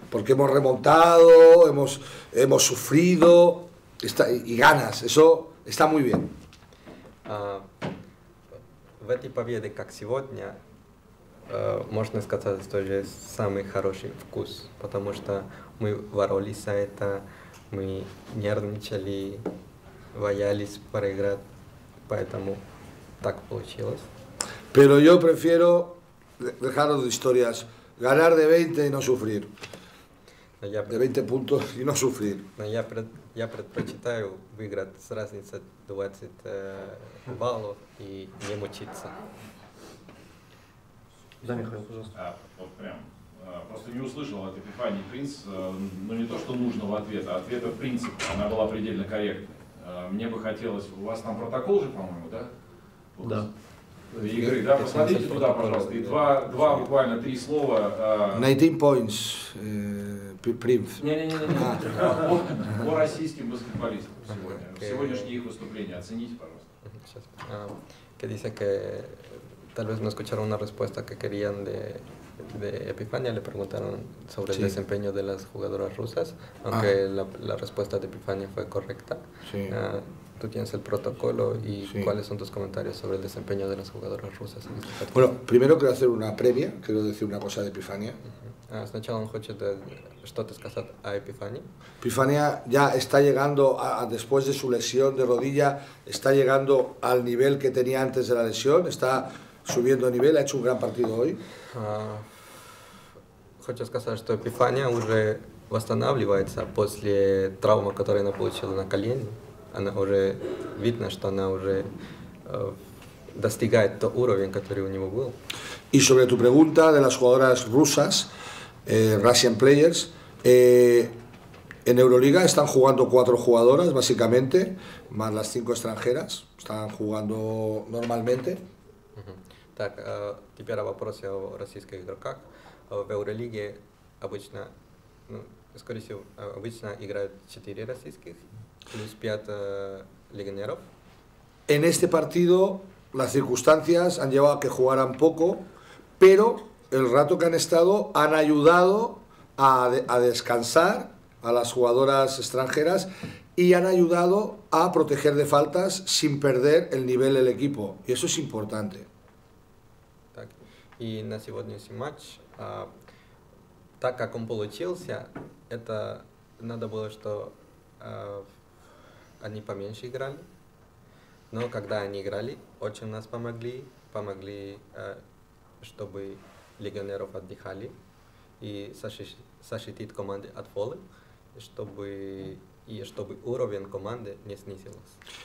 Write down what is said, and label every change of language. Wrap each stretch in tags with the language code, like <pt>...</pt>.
<es>Porque hemos remontado, hemos sufrido y ganas, eso está muy bien.</es> <ru>В этой победе, как сегодня, можно сказать, что же самый хороший вкус, потому что мы боролись за это, мы нервничали, боялись проиграть, поэтому так получилось.</ru> <es>Pero yo prefiero dejaros de historias, ganar de 20 y no sufrir. De 20 puntos y no sufrir.</es> <ru>Но я предпочитаю выиграть с разницей 20 баллов и не мучиться. Да, Михаил, пожалуйста. А, вот прям. Просто не услышал от Эпифании Принц, ну не то, что нужного ответа, а ответа в принципе. Она была предельно корректна. Мне бы хотелось... У вас там протокол же, по-моему, да? Вот. Да. Игры, да, посмотрите туда, пожалуйста. И два буквально три слова.</ru> <en>19 points, Принц.</en> <ru>Не-не-не, по российским баскетболистам сегодня. Сегодняшние их выступления. Оцените, пожалуйста.</ru> <es>Que dice que... Tal vez no escucharon una respuesta que querían de Epifania, le preguntaron sobre sí. el desempeño de las jugadoras rusas, aunque la respuesta de Epifania fue correcta. Sí. Tú tienes el protocolo y cuáles son tus comentarios sobre el desempeño de las jugadoras rusas en este partido. Bueno, primero quiero hacer una previa, quiero decir una cosa de Epifania. ¿Has escuchado un coche de Stotes Casat a Epifania? Epifania ya está llegando, después de su lesión de rodilla, está llegando al nivel que tenía antes de la lesión, está... Subiendo nivel, ha hecho un gran partido hoy.</es> <ru>Хочу сказать, что Эпифания уже восстанавливается после травмы, которую она получила на колене. Она уже видно, что она уже достигает тот уровень, который у него был.</ru> <es>И sobre tu pregunta de las jugadoras rusas,</es> <en>Russian players,</en> <es>en Euroliga están jugando cuatro jugadoras básicamente, más las cinco extranjeras, están jugando normalmente.</es> <ru>Так, теперь о вопросе о российских игроках. В Евролиге обычно, ну, скорее всего, обычно играют 4 российских, плюс 5 легионеров.</ru> <es>En este partido las circunstancias han llevado a que jugaran poco, pero el rato que han estado han ayudado a descansar a las jugadoras extranjeras y han ayudado a proteger de faltas sin perder el nivel del equipo. Y eso es importante.</es> <ru>И на сегодняшний матч, так как он получился, это надо было, что они поменьше играли. Но когда они играли, очень нас помогли. Помогли, чтобы легионеров отдыхали и защитить команды от фолы, чтобы уровень команды не снизился.</ru>